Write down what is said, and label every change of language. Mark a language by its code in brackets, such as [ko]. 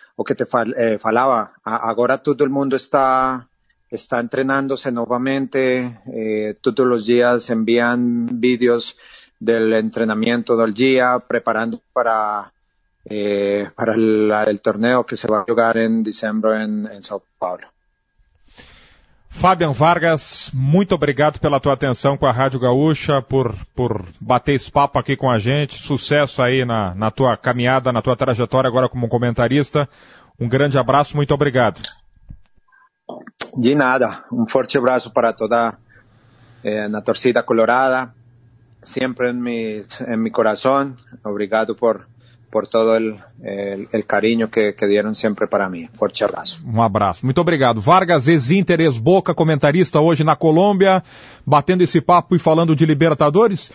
[es] O que te falaba, ahora todo el mundo está entrenándose nuevamente, todos los días envían vídeos del entrenamiento del día, preparando para el torneo que se va a jugar en diciembre en São Paulo. [pt] Fabian Vargas, muito obrigado pela tua atenção com a Rádio Gaúcha, por bater esse papo aqui com a gente. Sucesso aí na tua caminhada, na tua trajetória agora como comentarista. Um grande abraço, muito obrigado. [es] De nada. [pt] Um forte abraço para toda na torcida colorada. Sempre em mi coração. Obrigado [es] por todo el cariño que dieron siempre para mí. Fuerte abrazo. Un abrazo. [pt] Muito obrigado. Vargas, ex-Inter, ex-Boca, comentarista hoje na Colômbia, batendo esse papo e falando de Libertadores.